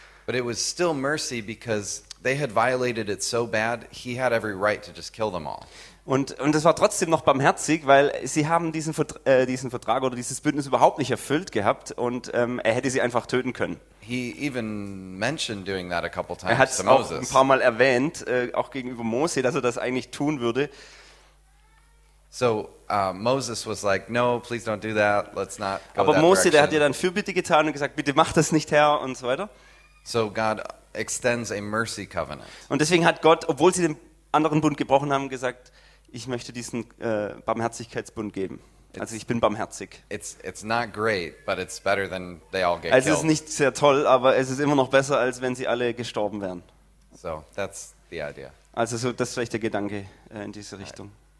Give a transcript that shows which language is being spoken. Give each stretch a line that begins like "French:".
English: But it was still mercy because they had violated it so bad, he had every right to just kill them all.
German: Und es war trotzdem noch barmherzig, weil sie haben diesen Vertrag oder dieses Bündnis überhaupt nicht erfüllt gehabt und er hätte sie einfach töten können.
English: He even mentioned doing that a couple times to Moses.
German: Er hat es auch ein paar Mal erwähnt, auch gegenüber Mose, dass er das eigentlich tun würde.
English: So Moses was like, no, please don't do that, let's not go that direction.
German: Aber Mose, der hat ja dann Fürbitte getan und gesagt, bitte mach das nicht, Herr, und so weiter.
English: So God extends a mercy covenant.
German: Und deswegen hat Gott, obwohl sie den anderen Bund gebrochen haben, gesagt, ich möchte diesen Barmherzigkeitsbund geben. Also ich bin barmherzig.
English: It's not great, but it's better than they all get killed.
German: Es ist nicht sehr toll, aber es ist immer noch besser, als wenn sie alle gestorben wären.
English: So, that's the idea.
German: Also so, das ist vielleicht der Gedanke in diese Richtung.